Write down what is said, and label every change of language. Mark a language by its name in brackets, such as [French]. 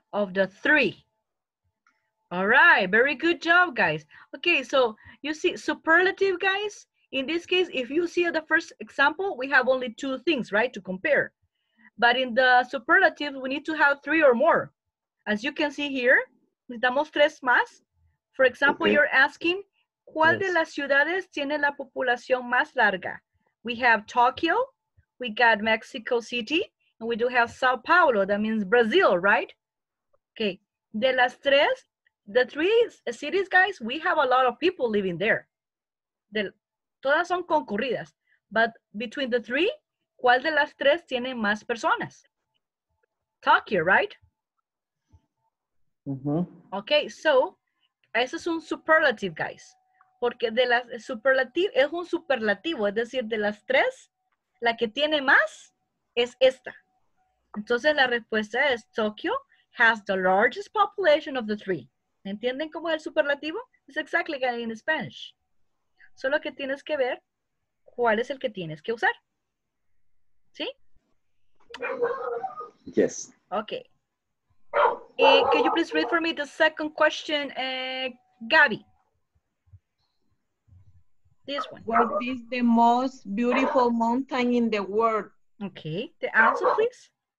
[English] Of the three. All right, very good job, guys. Okay, so you see superlative, guys. In this case, if you see the first example, we have only two things, right, to compare. But in the superlative, we need to have three or more. As you can see here, [Spanish] necesitamos tres más. [English] For example, okay. You're asking, [Spanish] ¿cuál yes. de las ciudades tiene la población más larga? [English] We have Tokyo, we got Mexico City, and we do have Sao Paulo, that means Brazil, right? Okay, [Spanish] de las tres, [English] the three cities, guys, we have a lot of people living there. [Spanish] Todas son concurridas, [English] but between the three, [Spanish] ¿cuál de las tres tiene más personas? Tokyo, right? Mm-hmm. [English] Okay, so, [Spanish] ese es un [English] superlative, guys. [Spanish] Porque de las superlativo es un superlativo, es decir, de las tres, la que tiene más es esta. Entonces, la respuesta es, [English] Tokyo has the largest population of the three. [Spanish] ¿Entienden cómo es el superlativo? [English] It's exactly like in Spanish. [Spanish] Solo que tienes que ver cuál es el que tienes que usar. ¿Sí? [English] Yes. Okay. Can you please read for me the second question, Gabby? This one. What is the most beautiful mountain in the world? Okay. The answer, please.